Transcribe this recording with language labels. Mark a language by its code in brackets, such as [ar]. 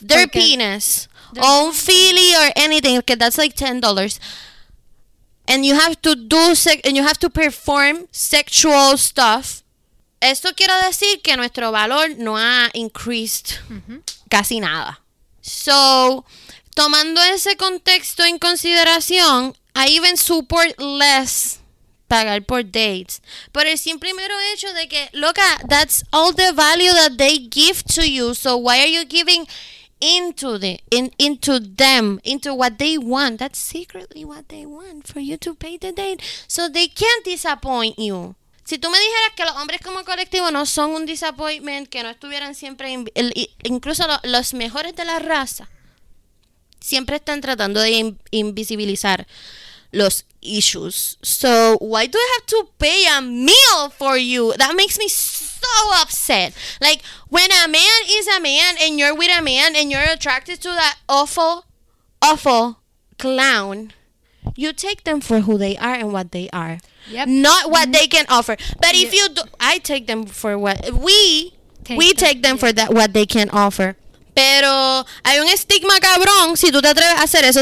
[en] their penis, o un Philly or anything, because that's like $10. And you have to do and you have to perform sexual stuff. [es] Esto quiere decir que nuestro valor no ha increased casi nada. So, tomando ese contexto en consideración, [en] I even support less [es] pagar por dates. Por el simple mero hecho de que, loca, [en] that's all the value that they give to you. So why are you giving into what they want? That's secretly what they want, for you to pay the date, so they can't disappoint you. [es] Si tú me dijeras que los hombres como colectivo no son un disappointment, que no estuvieran siempre, incluso los mejores de la raza, siempre están tratando de invisibilizar los issues. [en] So, why do I have to pay a meal for you? That makes me so upset. Like, when a man is a man and you're with a man and you're attracted to that awful, awful clown, you take them for who they are and what they are. Yep. Not what they can offer. But if you do, I take them for what we take them for that, what they can offer. [es] Pero hay un estigma cabrón si tú te atreves a hacer eso.